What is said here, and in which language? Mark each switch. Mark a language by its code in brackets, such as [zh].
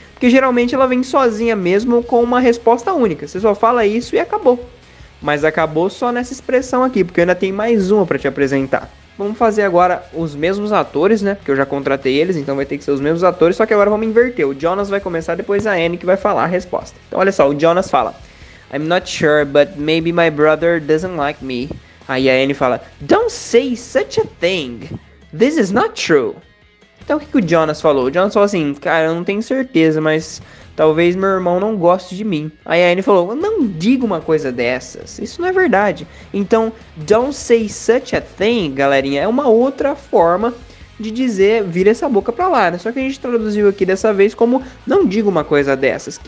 [pt] Porque geralmente ela vem sozinha mesmo com uma resposta única. Você só fala isso e acabou. Mas acabou só nessa expressão aqui, porque eu ainda tenho mais uma pra te apresentar. Vamos fazer agora os mesmos atores, né? Porque eu já contratei eles, então vai ter que ser os mesmos atores. Só que agora vamos inverter. O Jonas vai começar, depois a Annie que vai falar a resposta. Então olha só, o Jonas fala, [en] I'm not sure, but maybe my brother doesn't like me. [pt] Aí a Annie fala, [en] don't say such a thing. This is not true. [pt] Então o que o Jonas falou? O Jonas falou assim, cara, eu não tenho certeza, mas talvez meu irmão não goste de mim. Aí a Annie falou, não diga uma coisa dessas, isso não é verdade. Então, [en] don't say such a thing, [pt] galerinha, é uma outra forma de dizer, vira essa boca pra lá, né? Só que a gente traduziu aqui dessa vez como, não diga uma coisa dessas.